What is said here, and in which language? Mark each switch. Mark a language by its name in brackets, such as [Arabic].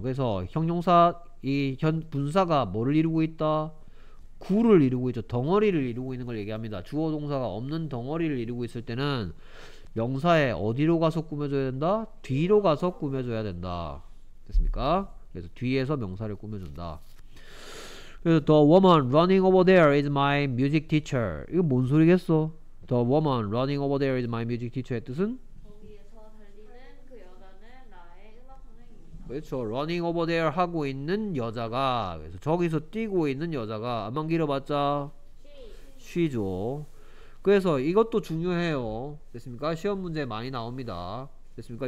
[Korean] 그래서 형용사 이 현 분사가 뭐를 이루고 있다. 구를 이루고 있죠. 덩어리를 이루고 있는 걸 얘기합니다. 주어 동사가 없는 덩어리를 이루고 있을 때는 명사에 어디로 가서 꾸며줘야 된다? 뒤로 가서 꾸며줘야 된다. 됐습니까? 그래서 뒤에서 명사를 꾸며준다. 그래서 [English] The woman running over there is my music teacher. [Korean] 이거 뭔 소리겠어? [English] The woman running over there is my music teacher [Korean] 의 뜻은? 거기에서 달리는 그 여자는 나의 음악 선생님. 그렇죠. [English] Running over there [Korean] 하고 있는 여자가, 그래서 저기서 뛰고 있는 여자가 안만 길어봤자 she죠. 그래서 이것도 중요해요. 됐습니까? 시험 문제 많이 나옵니다. 됐습니까?